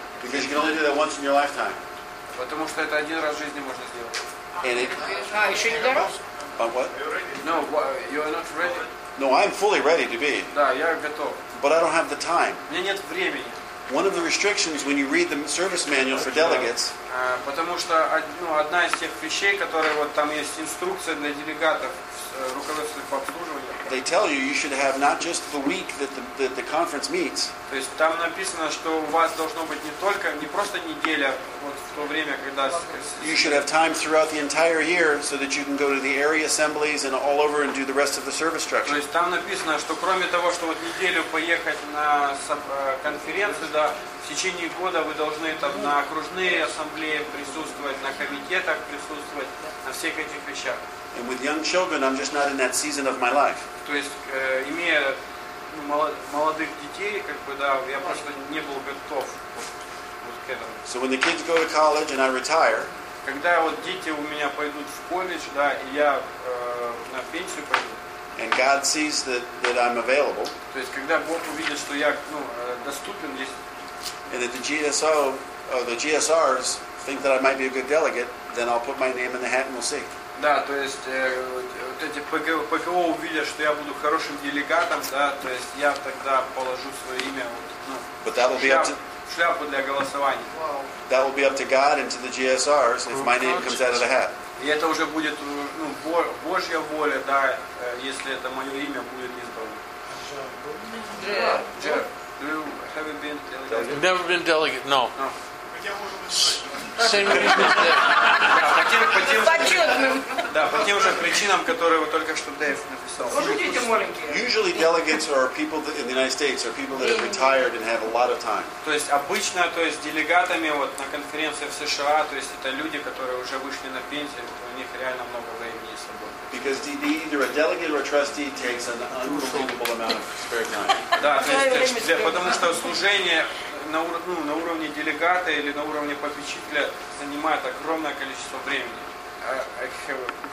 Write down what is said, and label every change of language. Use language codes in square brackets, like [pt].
[en] Because you can only do that once in your lifetime. [ru] Потому что это один раз в жизни можно сделать. [en] And it... [ru] еще не готов? [en] But what? No, you are not ready. No, I'm fully ready to be. [ru] Да, я готов. [en] But I don't have the time. [ru] У меня нет времени. [en] One of the restrictions when you read the service manual for delegates. [ru] Потому что, ну, одна из тех вещей, которые вот там есть инструкция для делегатов, руководство по обслуживанию. [en] They tell you you should have not just the week that the conference meets. [ru] То есть там написано, что у вас должно быть не просто неделя, вот в то время, когда. [en] You should have time throughout the entire year so that you can go to the area assemblies and all over and do the rest of the service structure. [ru] То есть там написано, что кроме того, что вот неделю поехать на конференцию, да, в течение года вы должны там на окружные ассамблеи присутствовать, на комитетах присутствовать, на всех этих вещах. [en] And with young children, I'm just not in that season of my life. [ru] То есть, имея молодых детей, как бы, да, я просто не был готов вот к этому. [en] So when the kids go to college and I retire, [ru] когда вот дети у меня пойдут в колледж, да, и я на пенсию пойду, [en] and God sees that I'm available, [ru] то есть, когда Бог увидит, что я, ну, доступен, [en] and that the GSO, or the GSRs think that I might be a good delegate, then I'll put my name in the hat and we'll see. [ru] Да, то есть вот эти ПКО увидят, что я буду хорошим делегатом, да, то есть я тогда положу свое имя вот, ну, шляпу для голосования. [en] That will be up to God and to the GSRs if my name comes out of the hat. [ru] И это уже будет, ну, Божья воля, да, если это мое имя будет избрано. [en] Never been delegate, no. Same reason as Dave. [ru] Причинам, которые вот только что Дэйв написал. [en] Usually delegates are people that, in the United States are people that have retired and have a lot of time. [ru] То есть обычно, то есть делегатами вот на конференциях в США, то есть это люди, которые уже вышли на пенсию, у них реально много времени с собой. [en] Because either a delegate or a trustee takes an unbelievable amount of spare time. [ru] Да, то есть потому что служение на уровне, ну, на уровне делегата или на уровне попечителя занимает огромное количество времени.